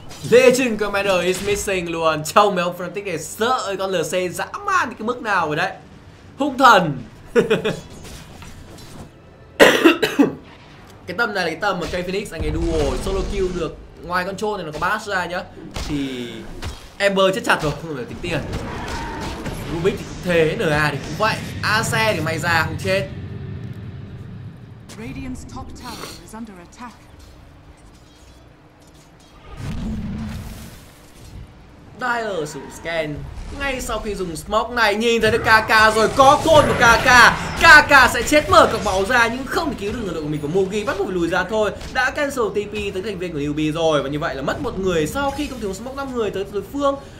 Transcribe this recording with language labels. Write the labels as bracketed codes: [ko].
[en] Legend Commander is missing [vi] luôn. Trông mấy ông Frantic này sợ ơi, con LC dã man cái mức nào rồi đấy. Hung thần. Cái tầm này là cái tầm mà Kay Phoenix anh ấy duo solo kill được. Ngoài con troll này nó có bash ra nhá, thì Ember chết chặt rồi, không phải tính tiền. Rubik thì cũng thế, NA thì cũng vậy. Ace thì may ra không chết. [en] Radiant's top tower is under attack. [vi] Dire sử dụng scan ngay sau khi dùng smoke này, nhìn thấy được KK rồi, có côn của KK. KK sẽ chết mở cọc máu ra nhưng không thể cứu được người đội của mình của Mugi, bắt buộc lùi ra thôi. Đã cancel TP tới thành viên của UB rồi và như vậy là mất một người sau khi công thủ smoke 5 người tới đối phương.